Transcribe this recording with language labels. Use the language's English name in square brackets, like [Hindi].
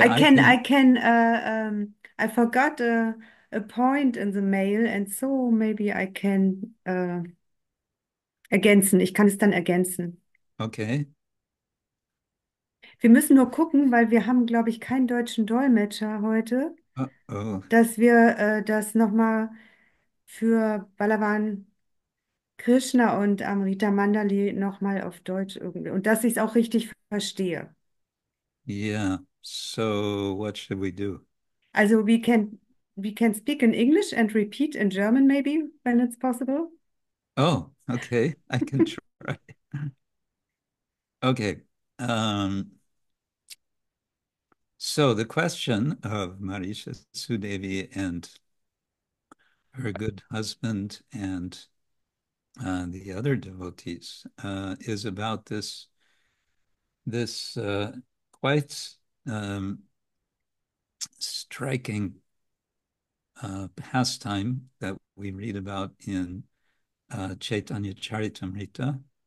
[English] I forgot a point in the mail, and so maybe I can ergänzen. [German] Ich kann es dann ergänzen. [English] Okay. [German] Wir müssen nur gucken, weil wir haben, glaube ich, keinen deutschen Dolmetscher heute, dass wir das nochmal für Balavan Krishna und Amrita Mandali nochmal auf Deutsch irgendwie, und dass ich es auch richtig verstehe. [English] Yeah, so what should we do? Also we can speak in English and repeat in German maybe, when it's possible. Oh, okay, I can try. Okay, so the question of Marisha Sudevi and her good husband and the other devotees is about this quite striking pastime that we read about in Chaitanya-charitamrita.